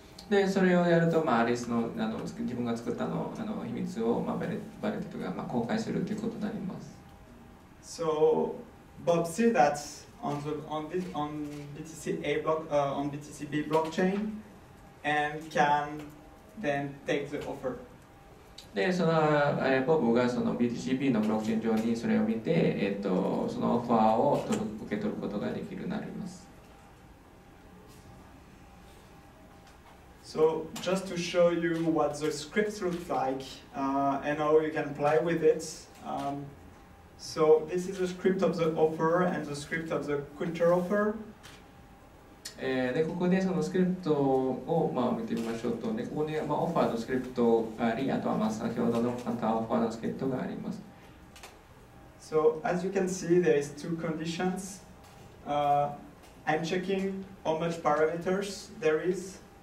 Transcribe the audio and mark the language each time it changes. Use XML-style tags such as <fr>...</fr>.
<ja>でそれをやると、まあ、アリスの自分が作った の秘密を、まあ、バレてとか、まあ、公開するということになります。</ja> <en>So, Bob see that on BTCA block, on BTCB blockchain and can then take the offer.</en> <ja>で、その、ボブがその BTCB のブロックチェーン上にそれを見て、そのオファーを受け取ることができるようになります。</ja> <en>So just to show you what the script looks like and how you can play with it. So this is the script of the offer and the script of the counter offer.</en> <ja>でここでそのスクリプトを、まあ、見てみましょうと、ね、ここに、まあ、オファーのスクリプトがあり、あとは、まあ、先ほどのカウンターオファーのスクリプトがあります。</ja> <en>So as you can see, there is two conditions. I'm checking how much parameters there is.</en>